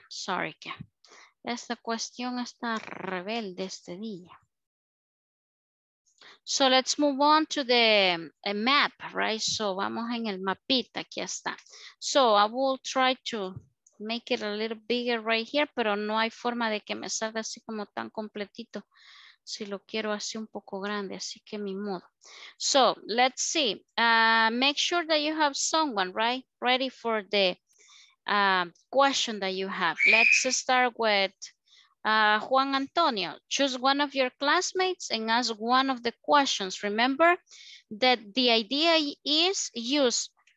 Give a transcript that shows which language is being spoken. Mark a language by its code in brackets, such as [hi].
[es] Sorry, que esta cuestión está rebelde este día. [en] So let's move on to the map, right? [es] So vamos en el mapita, aquí está. [en] So I will try to make it a little bigger right here, [es] pero no hay forma de que me salga así como tan completito si lo quiero así un poco grande, así que mi modo. [en] So let's see, make sure that you have someone, right? Ready for the question that you have. Let's start with Juan Antonio. Choose one of your classmates and ask one of the questions. Remember that the idea is use.